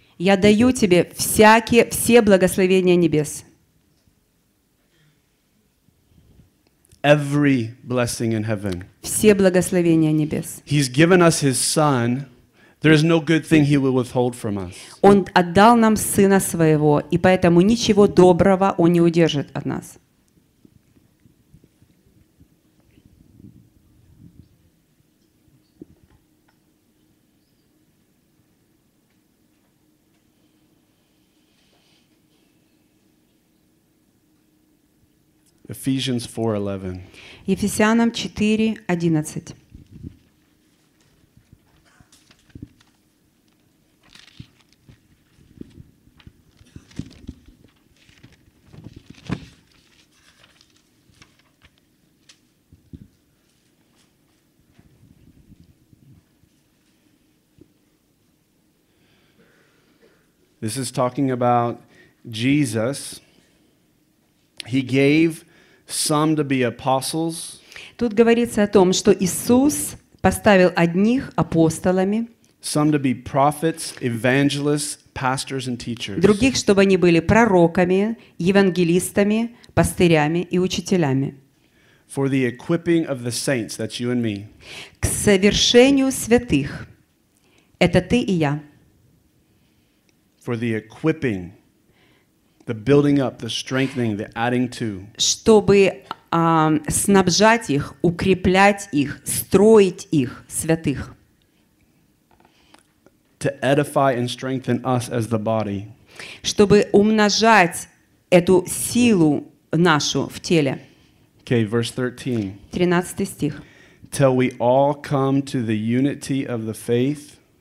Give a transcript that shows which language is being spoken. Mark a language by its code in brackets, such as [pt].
[ru] Я даю тебе все благословения небес. [en] Every blessing in heaven. [ru] Все благословения небес. [en] He's given us His Son. There is no good thing He will withhold from us. [ru] Он отдал нам Сына Своего, и поэтому ничего доброго Он не удержит от нас. [en] Ephesians 4:11. [ru] Ефесянам 4:11. [en] This is talking about Jesus. He gave some to be apostles. [ru] Тут говорится о том, что Иисус поставил одних апостолами. [en] Some to be prophets, evangelists, pastors and teachers. [ru] Других, чтобы они были пророками, евангелистами, пастырями и учителями. [en] For the equipping of the saints, that's you and me. [ru] К совершению святых. Это ты и я. [en] For the equipping, the building up, the strengthening, the adding to. [ru] Чтобы снабжать их, укреплять их, строить их, святых. [en] To edify and strengthen us as the body. [ru] Чтобы умножать эту силу нашу в теле. [en] Okay, verse 13. [ru] 13 стих. [en] Till we all come to the unity of the faith.